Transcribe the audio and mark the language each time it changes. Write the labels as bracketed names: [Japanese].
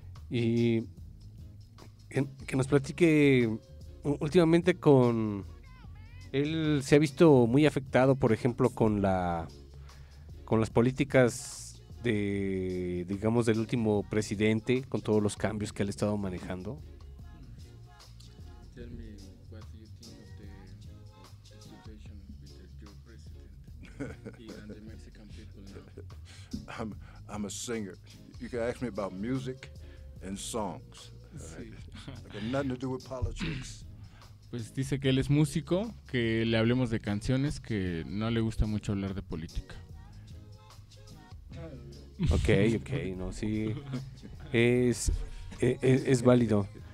[Spanish] Y que nos platique últimamente con... Él se ha visto muy afectado, por ejemplo, con las políticas de, digamos, del último presidente, con todos los cambios que él ha estado manejando. [English] Tell me what you think of the situation with your president and the Mexican people now. I'm a singer. You can ask me about music and songs. [Spanish] Sí. [English] I got nothing to do with politics. [Spanish] Pues dice que él es músico, que le hablemos de canciones, que no le gusta mucho hablar de política. Ok, no, sí, es válido.